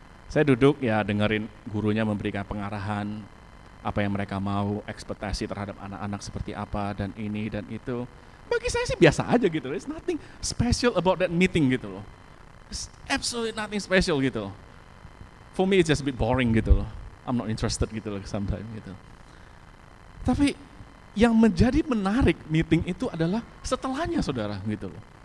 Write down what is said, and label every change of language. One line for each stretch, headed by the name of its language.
Indonesian: Saya duduk, ya dengerin gurunya memberikan pengarahan apa yang mereka mau, ekspektasi terhadap anak-anak seperti apa dan ini dan itu. Bagi saya sih biasa aja, gitu.
English: It's nothing special about that meeting, gitu loh. It's absolutely nothing special, gitu. For me it's just a bit boring, gitu loh. I'm not interested, gitu loh, sometimes, gitu.
Indonesian: Tapi yang menjadi menarik meeting itu adalah setelahnya, saudara, gitu loh.